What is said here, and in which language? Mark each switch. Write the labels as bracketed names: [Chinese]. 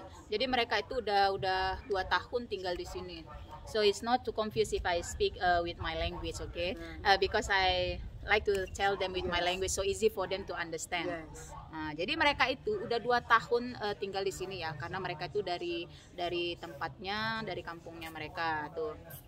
[Indonesian] Jadi mereka itu udah 2 tahun tinggal di sini. [English] So it's not too confused if I speak with my language, okay? Because I like to tell them with my language so easy for them to understand. [Indonesian] Jadi mereka itu udah 2 tahun tinggal di sini ya, karena mereka itu dari tempatnya, dari kampungnya mereka tuh.